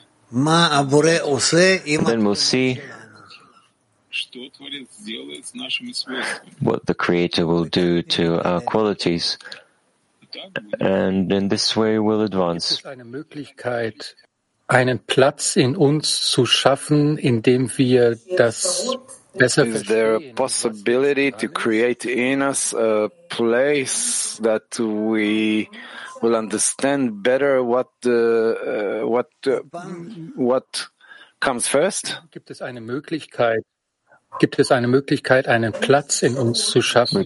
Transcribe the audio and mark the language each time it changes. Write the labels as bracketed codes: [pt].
[en] Then we'll see what the Creator will do to our qualities. And in this way we'll advance. [de] Es ist eine Möglichkeit, einen Platz in uns zu schaffen, indem wir das besser verstehen. [en] Is there a possibility to create in us a place that we will understand better what comes first? [de] Gibt es eine Möglichkeit? Gibt es eine Möglichkeit, einen Platz in uns zu schaffen,